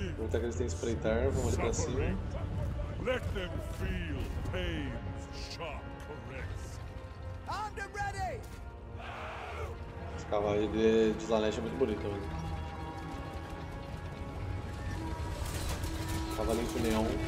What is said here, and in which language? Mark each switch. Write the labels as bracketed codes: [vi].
[pt] Que eles têm que espreitar, vamos ali pra cima. [en] Let them feel pain's sharp caress. And I'm ready! [pt] Esse cavalo de Slanesh é muito bonito, mano. Cavalinho com leão.